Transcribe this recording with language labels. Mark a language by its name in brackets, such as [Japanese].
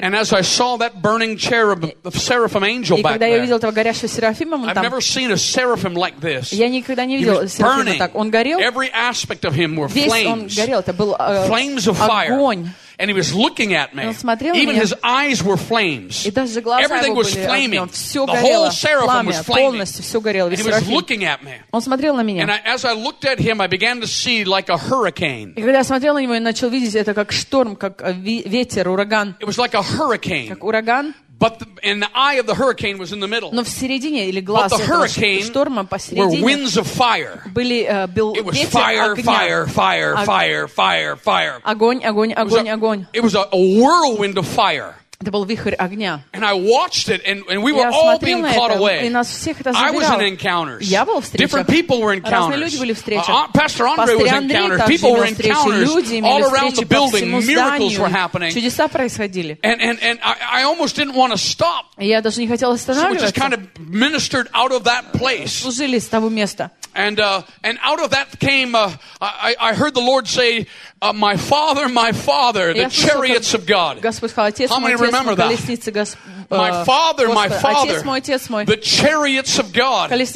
[English] And as I saw that burning cherub, the seraphim angel back there, [Russian] и когда я увидел этого горящего серафима, [English] I've never seen a seraphim like this. [Russian] Я никогда не видел серафима так. Он горел. [English] Every aspect of him were flames. [Russian] Весь он горел. Это был [English] flames of fire. And he was looking at me. Even his eyes were flames. Everything was flaming. The whole seraphim was flaming. And he was looking at me. And as I looked at him, I began to see like a hurricane. [Russian] Когда я смотрел на него, я начал видеть это как шторм, как ветер, ураган. [English] It was like a hurricane. [Russian] Как ураган. [English] But the eye of the hurricane was in the middle. [Russian] Но в середине или глаз [English] But the hurricane [Russian] шторма посередине [English] were winds of fire. [Russian] Были был [English] It was fire, [Russian] огня. [English] Fire, fire, fire, fire, fire. [Russian] Огонь, огонь, огонь, огонь. [English] It was a whirlwind of fire. [Russian] Это был вихрь огня. [English] And I watched it, and we were all being caught away. [Russian] И нас всех это забирало. [English] I was in encounters. [Russian] Я был в встречах. [English] Different people were encounters. [Russian] Разные люди были в встречах. [English] Pastor Andre was encounters. People were encounters. All around the building, miracles were happening. [Russian] Чудеса происходили. [English] And I almost didn't want to stop. [Russian] Я даже не хотел останавливаться. [English] So we just kind of ministered out of that place. [Russian] Служили с того места. [English] And out of that came I heard the Lord say, my father, my father, the chariots of God. How many remember that? My father, my father, the chariots of God.